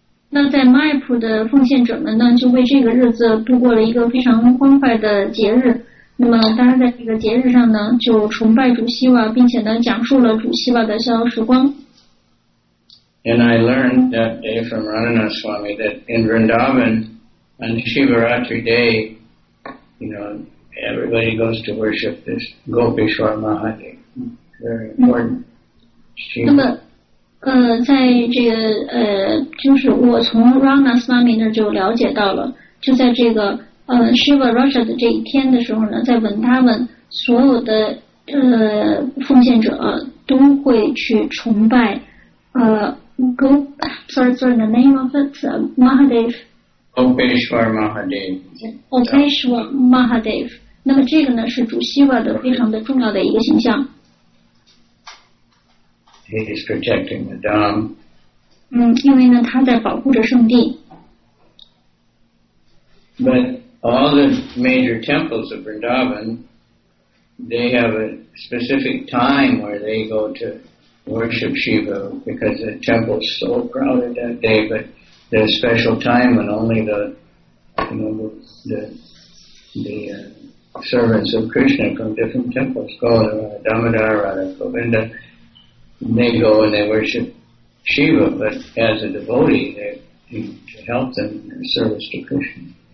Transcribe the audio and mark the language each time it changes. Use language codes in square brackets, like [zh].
[zh] 那在 Mayapur 的奉献者们呢，就为这个日子度过了一个非常欢快的节日。那么大家在这个节日上呢，就崇拜主希瓦，并且呢，讲述了主希瓦的逍遥时光。 [en] And I learned that day from Ranana Swami that in Vrindavan on Shivaratri Day, you know, everybody goes to worship this Gopeshwar Mahadev. Very important. [zh] 那么，在这个就是我从 Ranana Swami 那就了解到了，就在这个Shivaratri 的这一天的时候呢，在 Vrindavan 所有的奉献者都会去崇拜 [en] the name of it, [zh] Mahadev. [en] Gopeshwar Mahadev. Gopeshwar Mahadev. [zh] 那么这个呢是主希瓦的非常的重要的一个形象。 [en] He is protecting the Dham. [zh] 因为呢他在保护着圣地。 [en] But all the major temples of Vrindavan, they have a specific time where they go to. Worship Shiva because the temple is so crowded that day, but there's special time when only the servants of Krishna from different temples go, Damodara, Radha, Govinda, they go and they worship Shiva, but as a devotee, to help them in their service to Krishna.